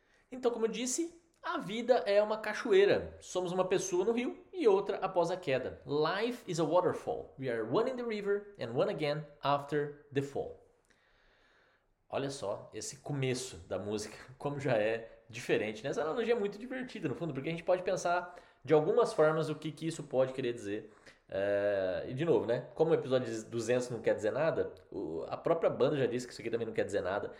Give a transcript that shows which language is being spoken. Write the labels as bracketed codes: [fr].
[pt] Então, como eu disse, a vida é uma cachoeira. Somos uma pessoa no rio e outra após a queda. [en] Life is a waterfall. We are one in the river and one again after the fall. [pt] Olha só esse começo da música, como já é diferente, né? Essa analogia é muito divertida, no fundo, porque a gente pode pensar de algumas formas o que que isso pode querer dizer. E de novo, né? Como o episódio 200 não quer dizer nada, a própria banda já disse que isso aqui também não quer dizer nada.